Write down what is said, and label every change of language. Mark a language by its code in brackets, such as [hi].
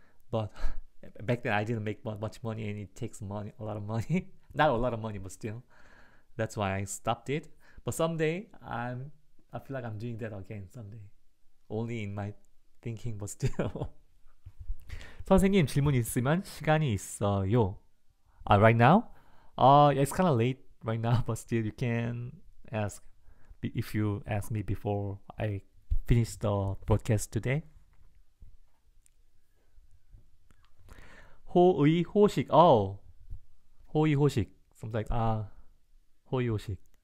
[en] But back then I didn't make much money, and it takes money, a lot of money. Not a lot of money, but still. That's why I stopped it. But someday I feel like I'm doing that again someday. Only in my thinking, but still. [ko] 선생님 질문 있으면 시간이 있어요. [en] Right now? Yeah, it's kind of late right now, but still you can ask if you ask me before I finish the broadcast today. [ko] 호의 호식. Oh, 호의 호식. [en] Something like [ko] 호의 호식.